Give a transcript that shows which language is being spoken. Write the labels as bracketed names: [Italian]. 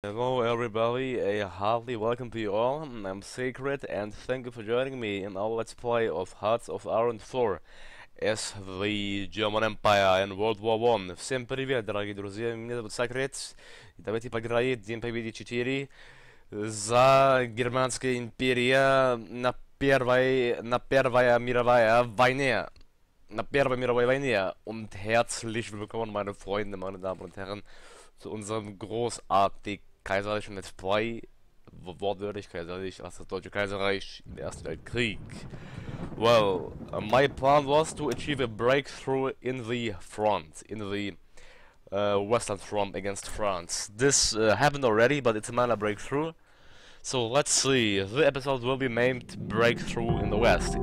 [English] Hello everybody, a hearty welcome to you all. I'm Secret and thank you for joining me in our let's play of Hearts of Iron 4 as the German Empire in World War 1. [Russian] Всем привет, дорогие друзья, меня зовут Secret. Давайте поиграем День Победы 4 за Германская империя на Первой мировой войне. На Первой мировой войне. [German] Und herzlich willkommen, meine Freunde, meine Damen und Herren, zu unserem großartigen Kaiserreich und Let's Play, wortwörtlich Kaiserreich, also das Deutsche Kaiserreich im Ersten Weltkrieg. [English] Well, my plan was to achieve a breakthrough in the front, in the Western Front against France. This happened already, but it's a minor breakthrough. So let's see, the episode will be named Breakthrough in the West.